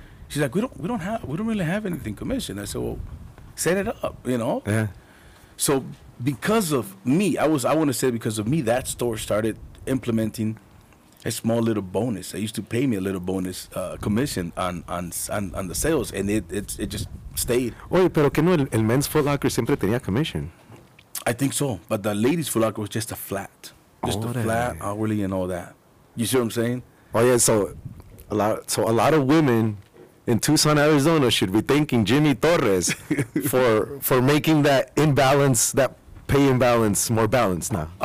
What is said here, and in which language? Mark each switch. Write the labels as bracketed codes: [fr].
[en] She's like, we don't really have anything commission. I said, well, set it up, you know. Yeah. So because of me, I want to say because of me, that store started implementing a small little bonus. They used to pay me a little bonus commission on the sales, and it just stayed. [es] Oye, pero que no el men's Foot Locker siempre tenía commission. [en] I think so, but the ladies' Foot Locker was just a flat, hourly and all that. You see what I'm saying? Oh yeah, so a lot of women in Tucson, Arizona should be thanking Jimmy Torres for making that imbalance, that pay imbalance, more balanced now.